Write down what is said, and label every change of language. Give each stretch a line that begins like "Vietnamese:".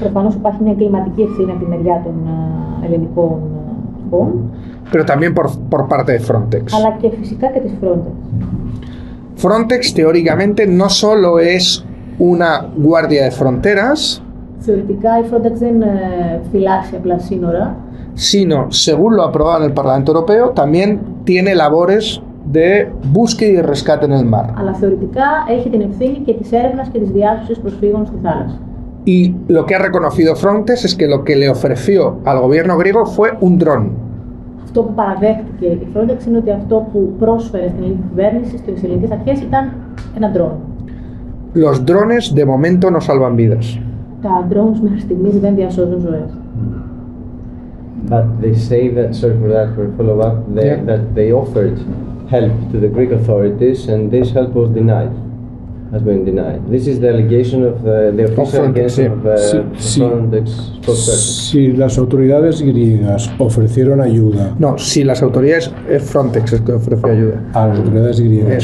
Greek: Προφανώς υπάρχει μια κλιματική ευθύνη από τη μεριά των ελληνικών αρχών.
Spanish: Pero también por parte de Frontex.
Greek: Αλλά και φυσικά και της Frontex.
Spanish: Frontex, teóricamente, no solo es una guardia de fronteras.
Greek: Θεωρητικά η Frontex δεν φυλάσσει απλά σύνορα.
Spanish: Sino, según lo aprobado en el Parlamento Europeo, también tiene labores de búsqueda y rescate en el mar.
Greek: Αλλά θεωρητικά έχει την ευθύνη και της έρευνας και της διάσωσης προσφύγων στη θάλασσα.
Spanish: Y lo que ha reconocido Frontex es que lo que le ofreció al gobierno griego fue un dron.
Greek: Αυτό που παραδέχτηκε η Frontex είναι ότι αυτό που πρόσφερε στην ελληνική κυβέρνηση, στις ελληνικές αρχές, ήταν ένα ντρόν.
Spanish: Los drones de momento no salvan vidas.
Greek: Τα drones μέχρι στιγμής δεν διασώζουν ζωές.
English: But they say that, sorry for that, for follow up, they, yeah. that they offered help to the Greek authorities and this help was denied. Has been denied. This is the allegation of the official Frontex.
Spanish: Si las autoridades griegas ofrecieron ayuda. No, si las autoridades Frontex es que ofreció ayuda. A las autoridades griegas.